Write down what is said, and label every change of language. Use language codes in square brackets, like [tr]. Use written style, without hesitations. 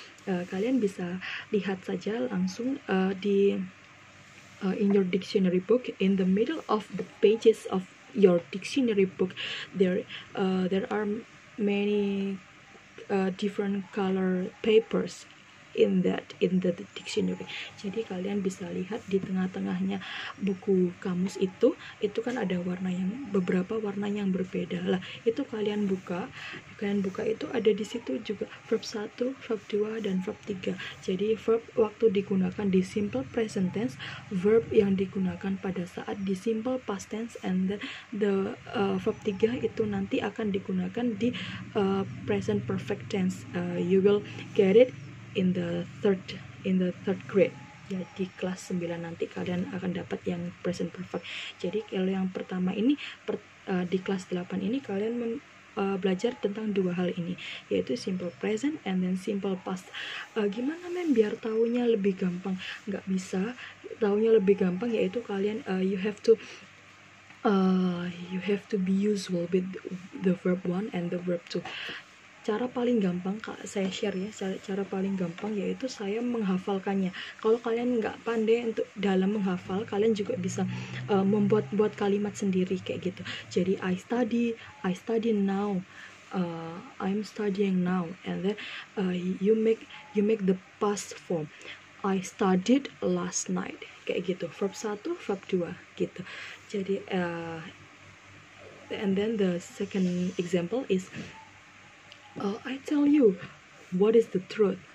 [id] Kalian bisa lihat saja langsung [en] in your dictionary book, in the middle of the pages of your dictionary book, there are many different color papers in the dictionary. [id] Jadi kalian bisa lihat di tengah-tengahnya buku kamus itu kan ada beberapa warna yang berbeda. Lah, itu kalian buka itu ada di situ juga verb 1, verb 2 dan verb 3. Jadi verb waktu digunakan di simple present tense, verb yang digunakan pada saat di simple past tense, and the verb 3 itu nanti akan digunakan di present perfect tense. [en] You will get it in the third grade. [id] Jadi ya, kelas 9 nanti kalian akan dapat yang present perfect. Jadi kalau yang pertama ini di kelas 8 ini kalian belajar tentang dua hal ini, yaitu simple present and then simple past. Gimana, men, biar taunya lebih gampang? Nggak bisa taunya lebih gampang, yaitu kalian [en] you have to be usual with the verb 1 and the verb 2. [id] Cara paling gampang, Kak, saya share ya, cara paling gampang yaitu saya menghafalkannya. Kalau kalian nggak pandai untuk dalam menghafal, kalian juga bisa membuat-buat kalimat sendiri, kayak gitu. Jadi [en] I study now, I'm studying now, and then you make the past form. I studied last night, [id] kayak gitu. [en] Verb 1, verb 2, gitu. [id] Jadi [en] and then the second example is I tell you what is the truth.